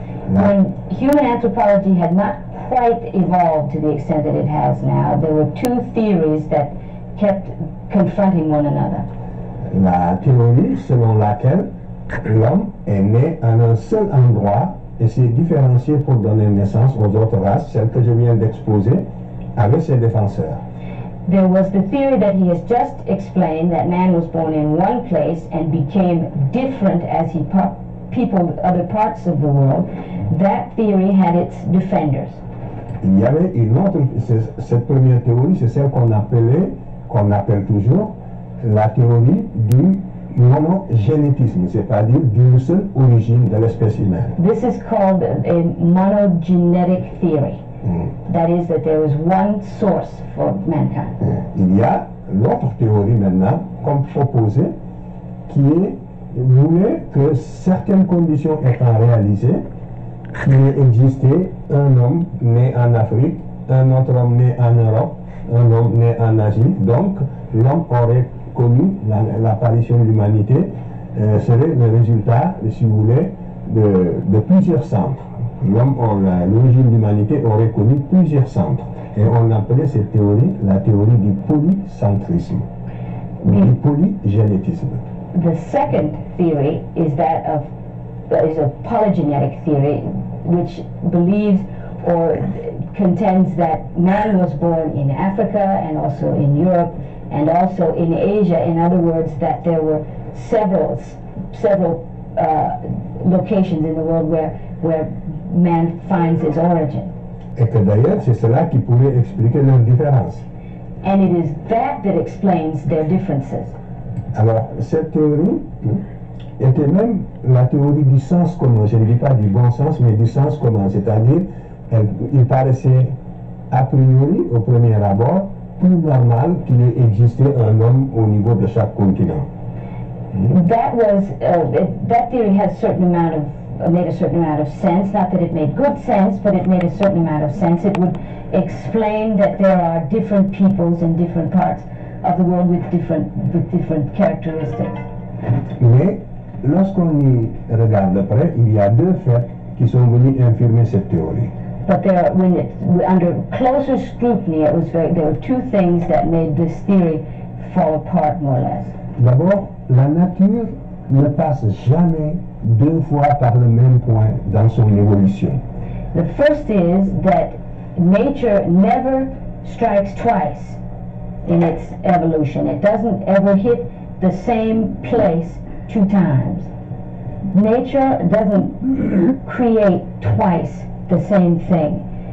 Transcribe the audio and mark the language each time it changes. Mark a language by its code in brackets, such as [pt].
[en] When human anthropology had not quite evolved to the extent that it has now, there were two theories that kept confronting one another. [fr] La théorie selon laquelle l'homme est né en un seul endroit et s'est différencié pour donner naissance aux autres races, celle que je viens d'exposer, avec ses défenseurs. [en] There was the theory that he has just explained, that man was born in one place and became different as he peopled other parts of the world. That theory had its defenders. [fr] Il y avait une autre, cette première théorie, c'est celle qu'on appelle toujours, la théorie du monogénétisme, c'est-à-dire d'une seule origine de l'espèce humaine. [en] This is called a monogenetic theory. That is, that there is one source for mankind. [fr] Il y a l'autre théorie maintenant, comme proposée, qui est voulait que certaines conditions étant réalisées, qu'il ait existé un homme né en Afrique, un autre homme né en Europe, un homme né en Asie. Donc, l'homme aurait connu l'apparition de l'humanité, serait le résultat, si vous voulez, de plusieurs centres. L'origine de l'humanité aurait connu plusieurs centres. Et on appelait cette théorie la théorie du polycentrisme, du polygénétisme. [en] The second theory is a polygenetic theory, which believes or contends that man was born in Africa and also in Europe and also in Asia. In other words, that there were several locations in the world where man finds his origin. [fr] Et que d'ailleurs, c'est cela qui pourrait expliquer leurs différences. [en] And it is that that explains their differences. [fr] Alors, cette théorie était même la théorie du sens commun. Je ne dis pas du bon sens, mais du sens commun. C'est-à-dire, il paraissait a priori, au premier abord, plus normal qu'il ait existé un homme au niveau de chaque continent. [en] That theory has a certain amount of made a certain amount of sense. Not that it made good sense, but it made a certain amount of sense. It would explain that there are different peoples in different parts of the world with different characteristics. [fr] Mais lorsqu'on y regarde après, il y a deux faits qui sont venus infirmer cette théorie. [en] But under closer scrutiny, there were two things that made this theory fall apart more or less. [fr] D'abord, la nature ne passe jamais deux fois par le même point dans son évolution. [en] The first is that nature never strikes twice in its evolution. It doesn't ever hit the same place two times. Nature doesn't create twice the same thing.